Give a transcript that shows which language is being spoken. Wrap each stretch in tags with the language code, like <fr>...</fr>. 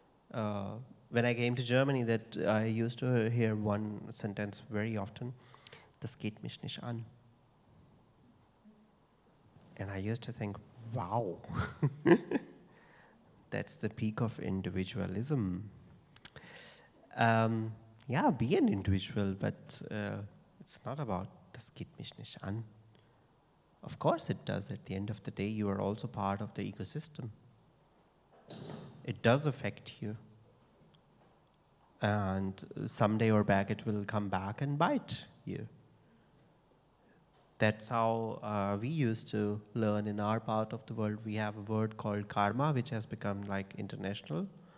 <en>When I came to Germany, that I used to hear one sentence very often,</en> <de>das geht mich nicht an.</de> <en>And I used to think, wow, that's the peak of individualism. Yeah, be an individual, but it's not about</en> <de>das geht mich nicht an.</de> <en>Of course it does. At the end of the day, you are also part of the ecosystem. It does affect you. And someday or back, it will come back and bite you. That's how we used to learn in our part of the world. We have a word called karma, which has become like international.</en>